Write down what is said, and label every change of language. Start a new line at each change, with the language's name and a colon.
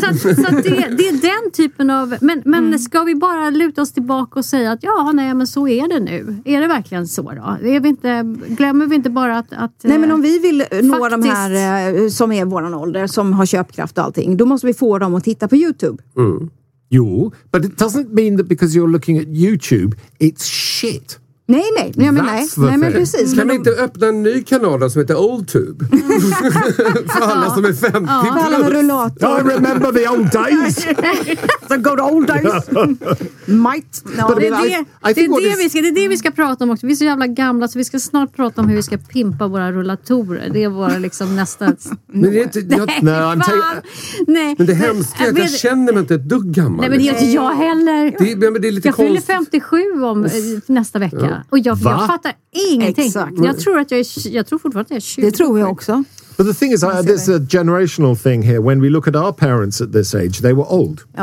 Swedish: Så det är den typen av... Men ska vi bara luta oss tillbaka och säga att ja, nej, men så är det nu. Är det verkligen så då? Är vi inte, glömmer vi inte bara att... Nej, men om vi vill nå de här som är våran ålder, som har köpkraft och allting, då måste vi få dem att titta på YouTube. Mm. Jo,
English: but it doesn't mean that because you're looking at YouTube, it's shit.
Swedish: Nej, men nej. Nej, men precis. Kan vi inte öppna en ny kanal som heter OldTube? För alla som är 50 plus. Alla med rullator.
English: I remember the old days. The good old days. Might.
Swedish: Det är det vi ska prata om också. Vi är så jävla gamla, så vi ska snart prata om hur vi ska pimpa våra rullatorer. Det är våra liksom nästa... Men det är inte... Nej. Men det hemska är att jag känner mig inte ett dugg gammal. Nej, men det är inte jag heller. Det är lite konstigt. Jag fyller 57 om nästa vecka. Och jag fattar ingenting. Exakt. Jag tror fortfarande att jag är 20. Det tror jag också.
English: But the thing is, there's a generational thing here. When we look at our parents at this age, they were old.